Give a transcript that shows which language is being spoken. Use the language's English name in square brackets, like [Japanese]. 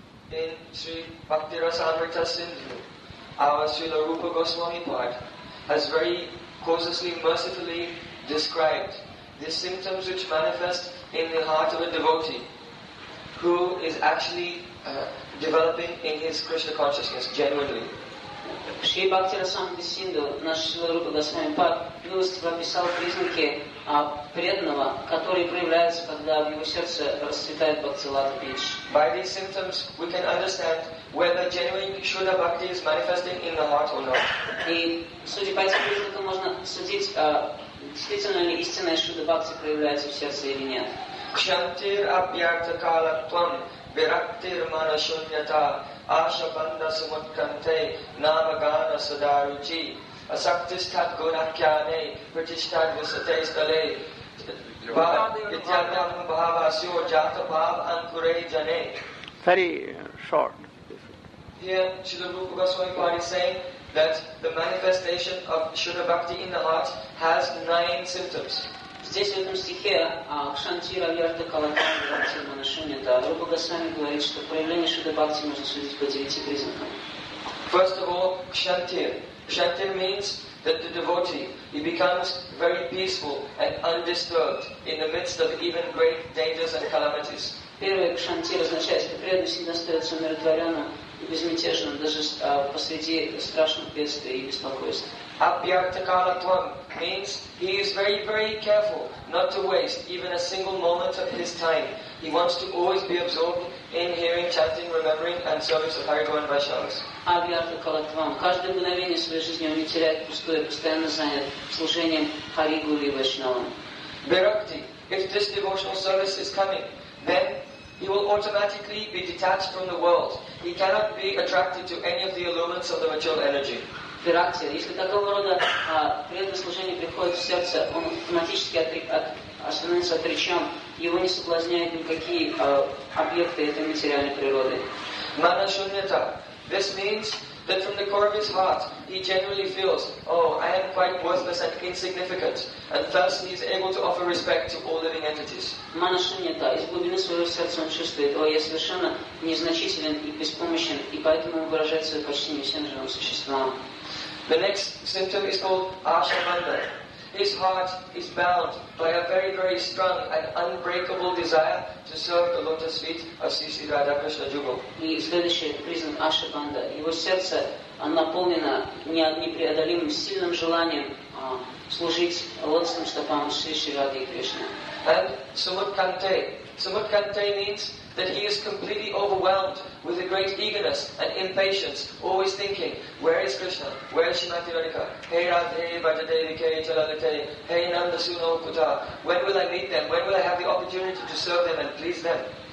[English] In Sri Bhakti Rasamrita Sindhu, our Srila Rupa Goswami Pad has very cautiously, mercifully described the symptoms which manifest in the heart of a devotee who is actually developing in his Krishna consciousness genuinely. [Russian] Sri Bhakti Rasamrita Sindhu, наш Srila Rupa Goswami Pad, милостиво описал признаки преданного, который проявляется, когда в его сердце расцветает бхакти-лата бидж. [English] By these symptoms, we can understand whether genuine Shuddha Bhakti is manifesting in the heart or not. [Russian] И судя по этим признакам, можно судить, действительно ли истинная Shuddha Bhakti проявляется в сердце или нет. [Sanskrit] Кшантир абьярта калаттвам вирактир мана шуньята аша банда сумутканте нама гана садаручи Asaktistat gunakyane, pratishtat visate stale, ityadam bhavasyo jata bhav ankure jane. [English] Very short. Here, Srila Rupa Goswami Pad is saying that the manifestation of Shuddha Bhakti in the heart has nine symptoms. [Russian] Здесь в этом стихе Кшантира Вьярта Калатан Бхакти Манашунита Рупа Госвами говорит, что проявление Шуда Бхакти можно судить по девяти признакам. [English] First of all, Кшантир. Kshantir means that the devotee, he becomes very peaceful and undisturbed in the midst of even great dangers and calamities. [Russian] Первое кшантир означает, что преданный всегда остается умиротворенным и безмятежным, даже посреди страшных бедствий и беспокойств. [English] Abhyaktakalatvam means he is very, very careful not to waste even a single moment of his time. He wants to always be absorbed in hearing, chanting, remembering and service of Haridwar and Vaishnavas. [Sanskrit] Abhyaktakalatvam. [Russian] Каждое мгновение своей жизни он не теряет пустое, постоянно занят служением Харигуру и Вайшнавам. [Sanskrit] Virakti. [English] If this devotional service is coming, then he will automatically be detached from the world. He cannot be attracted to any of the allurements of the material energy. [Sanskrit] Вирактия. [Russian] Если такого рода преданное служение приходит в сердце, он автоматически становится отречен. Его не соблазняют никакие объекты этой материальной природы. [Sanskrit] Мана шуньята. [English] This means that from the core of his heart, he genuinely feels, oh, I am quite worthless and insignificant. And thus he is able to offer respect to all living entities. [Sanskrit] Мана шуньята. [Russian] Из глубины своего сердца он чувствует, о, я совершенно незначителен и беспомощен, и поэтому он выражает свое почтение всем живым существам. [English] The next symptom is called Ashabandha. His heart is bound by a very, very strong and unbreakable desire to serve the lotus feet of Sri Sri Radha Krishna Jugal. [Russian] И следующий признак Ашабандха. Его сердце наполнено непреодолимым сильным желанием служить лотосным стопам Sri Sri Radha Krishna. [English] And Sumutkante. Sumutkante means that he is completely overwhelmed with a great eagerness and impatience, always thinking, where is Krishna? Where is Srimati Radhika? Hey Radhe, Vajadevike, Chalalite, Hey Nanda Suno Kuta. When will I meet them? When will I have the opportunity to serve them and please them?